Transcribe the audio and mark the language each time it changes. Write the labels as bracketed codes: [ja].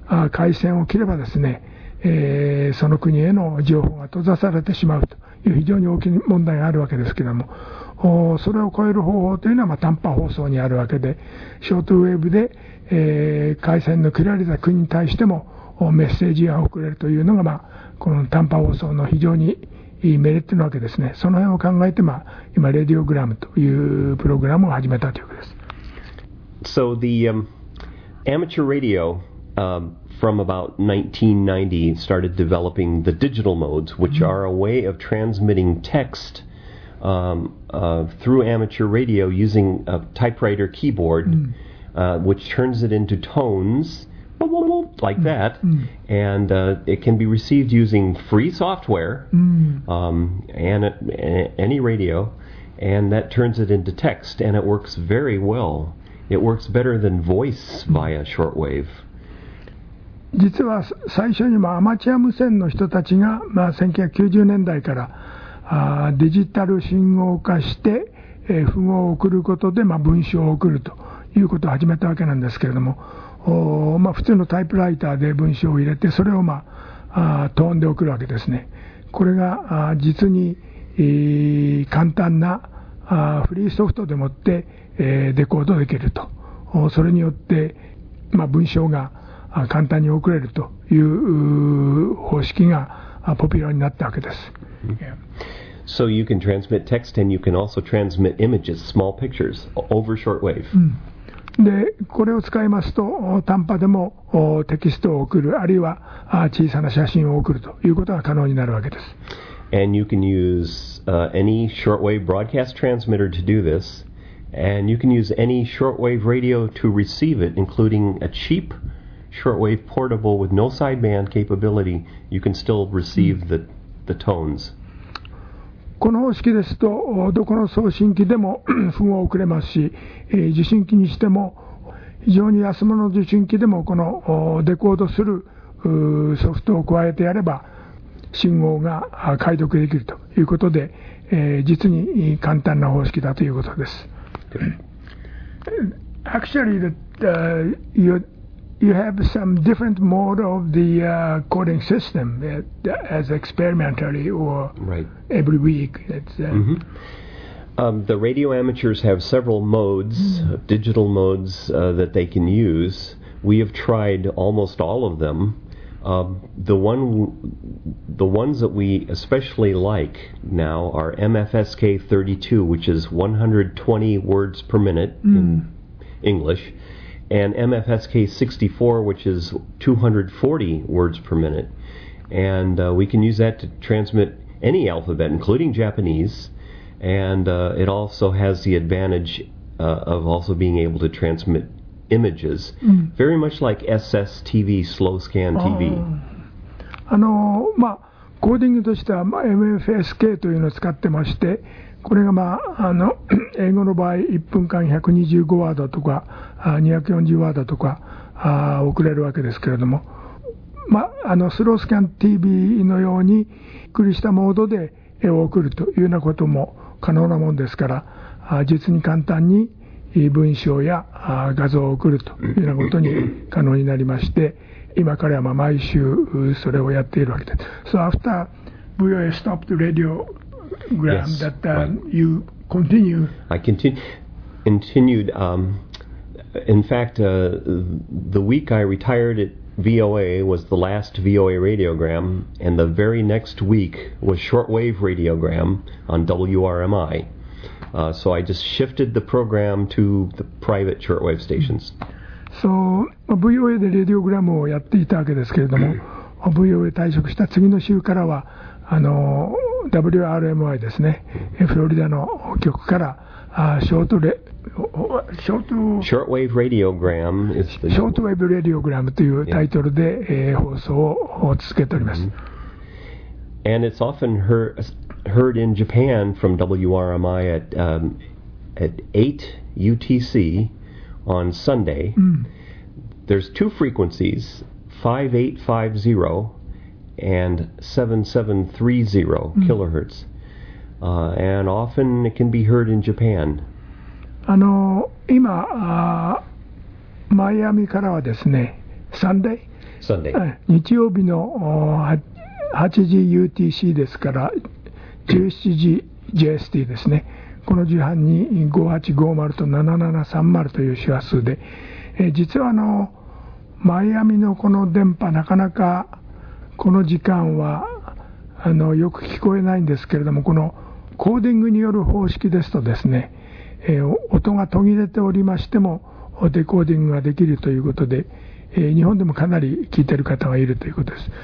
[ja] 回線を切ればですね、その国への情報が閉ざされてしまうという非常に大きな問題があるわけですけども、それを超える方法というのは、まあ、短波放送にあるわけで、ショートウェーブで、回線の切られた国に対してもメッセージが送れるというのが、まあ、この短波放送の非常にいいメリットなわけですね。その辺を考えて、まあ、今レディオグラムというプログラムを始めたということです。 [en] So the amateur radioFrom about 1990 started developing the digital modes, which are a way of transmitting text through amateur radio using a typewriter keyboard, which turns it into tones, like that, and it can be received using free software and any radio, and that turns it into text, and it works very well. It works better than voice via shortwave. [ja] 実は最初にもアマチュア無線の人たちが、まあ、1990年代からデジタル信号化して、符号を送ることで、まあ、文章を送るということを始めたわけなんですけれども、まあ、普通のタイプライターで文章を入れてそれを、まあ、トーンで送るわけですね。これが実に、簡単なフリーソフトでもって、デコードできると、それによって、まあ、文章が簡単に送れるという方式がポピュラーになったわけです。 [en] So you can transmit text and you can also transmit images, small pictures, over shortwave. [ja] で、これを使いますと短波でもテキストを送る、あるいは小さな写真を送るということが可能になるわけです。 [en] And you can use any shortwave broadcast transmitter to do this, and you can use any shortwave radio to receive it, including a cheapShortwave portable with no sideband capability, you can still receive the tones. [ja] この方式ですと、どこの送信機でも符号を送れますし、受信機にしても非常に安物の受信機でもこのデコードするソフトを加えてやれば信号が解読できるということで、実に簡単な方式だということです。 [en] Actually, you have some different mode of the coding system as experimentally or right. every week. It's, The radio amateurs have several modes, digital modes that they can use. We have tried almost all of them. The ones that we especially like now are MFSK32, which is 120 words per minute in English. And MFSK64, which is 240 words per minute. And we can use that to transmit any alphabet, including Japanese. And it also has the advantage of also being able to transmit images, very much like SSTV, slow scan TV. [ja] まあ、コーディングとしては、まあ、MFSK というのを使ってまして、これが、まあ、英語の場合1分間125ワードとか240ワードとか送れるわけですけれども、まあ、スロースキャン TV のようにゆっくりしたモードで絵を送るというようなことも可能なものですから、実に簡単に文章や画像を送るというようなことに可能になりまして、今彼はまあ毎週それをやっているわけです。 [en] So after VOA stopped the radioGram, yes, that right. you continue. I continued. In fact, the week I retired at VOA was the last VOA radiogram, and the very next week was shortwave radiogram on WRMI. So I just shifted the program to the private shortwave stations. [ja] So, VOA でレディオグラムをやっていたわけですけれども、VOA 退職した次の週からは、WRMI ですね、フロリダの局からショートウェーブレディオグラムというタイトルで、放送を続けております。 [en] And it's often heard in Japan from WRMI at at 8 UTC on Sunday. There's two frequencies, 5850 and 7730 kilohertz. And often it can be heard in Japan. [ja] あの今あマイアミからはですね、 [en] Sunday [ja] 日曜日の8時 UTC ですから17時 JST ですね。この時半に5850と7730という周波数で、実はあのマイアミのこの電波なかなかこの時間はあのよく聞こえないんですけれども、このコーディングによる方式ですとですね、音が途切れておりましてもデコーディングができるということで、日本でもかなり聞いている方がいるということです。